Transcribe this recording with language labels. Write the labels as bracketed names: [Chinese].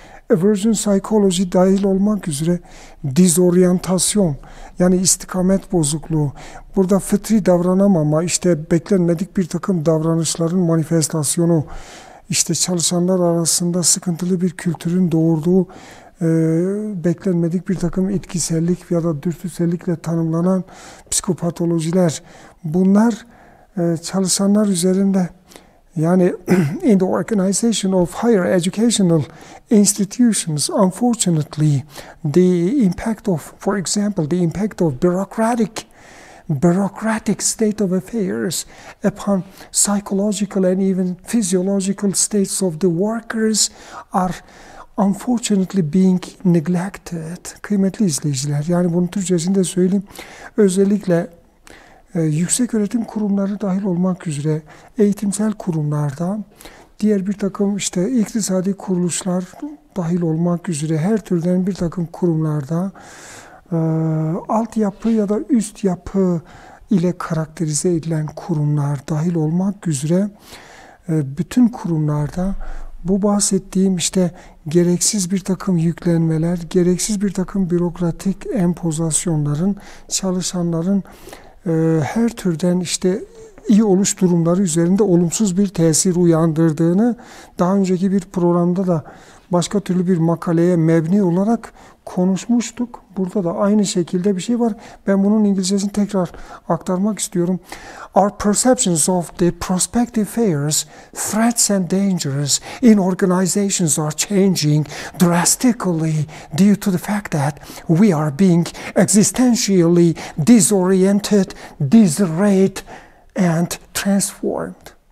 [Turkish] Aversion psychology dahil olmak üzere dizoryantasyon, yani istikamet bozukluğu, burada fıtri davranamama, işte beklenmedik bir takım davranışların manifestasyonu, işte çalışanlar arasında sıkıntılı bir kültürün doğurduğu, beklenmedik bir takım etkisellik ya da dürtüsellikle tanımlanan psikopatolojiler. Bunlar çalışanlar üzerinde, yani [English] in the organization of higher educational institutions, unfortunately the impact of, for example, the impact of bureaucratic state of affairs upon psychological and even physiological states of the workers are unfortunately being neglected. [Turkish] Kıymetli izleyiciler, yani bunu Türkçesinde söyleyeyim. Özellikle yüksek öğretim kurumları dahil olmak üzere eğitimsel kurumlarda, diğer bir takım işte iktisadi kuruluşlar dahil olmak üzere her türden bir takım kurumlarda alt yapı ya da üst yapı ile karakterize edilen kurumlar dahil olmak üzere bütün kurumlarda bu bahsettiğim işte gereksiz bir takım yüklenmeler, gereksiz bir takım bürokratik empozasyonların çalışanların her türden işte iyi oluş durumları üzerinde olumsuz bir tesir uyandırdığını daha önceki bir programda da başka türlü bir makaleye mebni olarak konuşmuştuk. Burada da aynı şekilde bir şey var. Ben bunun İngilizcesini tekrar aktarmak istiyorum. [English] Our perceptions of the prospective fears, threats and dangers in organizations are changing drastically due to the fact that we are being existentially disoriented, disarrayed and transformed.